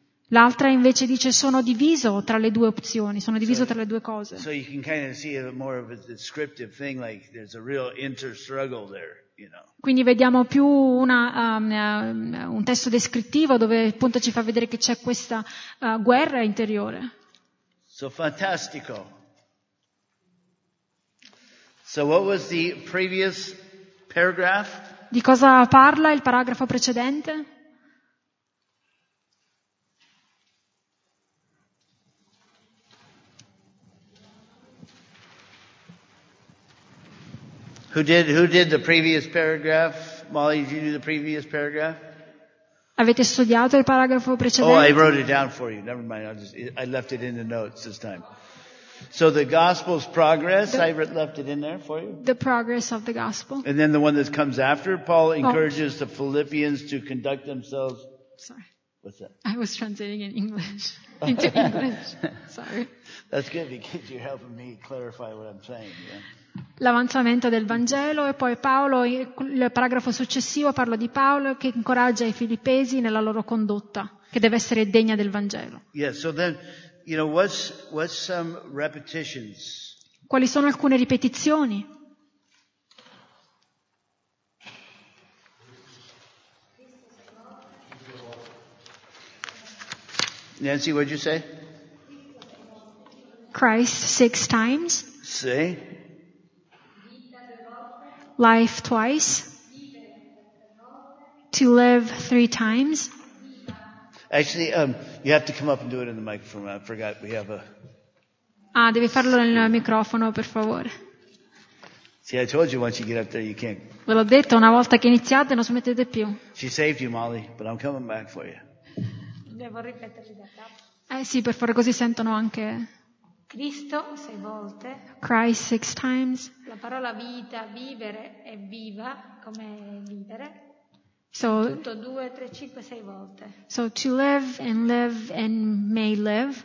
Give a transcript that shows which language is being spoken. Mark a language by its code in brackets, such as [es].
[it] L'altra invece dice sono diviso tra le due opzioni, sono diviso tra le due cose. [en] So you can kind of see it more of a descriptive thing, like there's a real inter-struggle there. [it] Quindi vediamo più un testo descrittivo dove appunto ci fa vedere che c'è questa guerra interiore. So fantastico. [en] So what was the previous paragraph? [it] Di cosa parla il paragrafo precedente? Mm-hmm. [en] Who did the previous paragraph? Molly, did you do the previous paragraph? [it] Avete studiato il paragrafo precedente? [en] Oh, I wrote it down for you. Never mind. I left it in the notes this time. So the gospel's progress, I left it in there for you. The progress of the gospel. And then the one that comes after, Paul encourages the Philippians to conduct themselves. Sorry. What's that? I was translating in English. Into English. Sorry. That's good because you're helping me clarify what I'm saying. Yeah. [it] L'avanzamento del Vangelo e poi Paolo, il paragrafo successivo parlo di Paolo che incoraggia i filippesi nella loro condotta, che deve essere degna del Vangelo. [en] Yeah, so then, you know, what's some repetitions? [it] Quali sono alcune ripetizioni? [en] Nancy, what'd you say? Christ 6 times. Say. Life twice. To live 3 times. Actually, you have to come up and do it in the microphone. I forgot we have a... [it] Ah, devi farlo nel microfono, per favore. [en] See, I told you once you get up there, you can't... [it] Ve l'ho detto, una volta che iniziate, non smettete più. [en] She saved you, Molly, but I'm coming back for you. [it] Devo ripetere da capo. Eh sì, per favore, così sentono anche... Cristo 6 volte. [en] Christ 6 times. [it] La parola vita, vivere è viva, come vivere. [en] So, [it] tutto 2, 3, 5, 6 volte. [en] So to live and live and may live.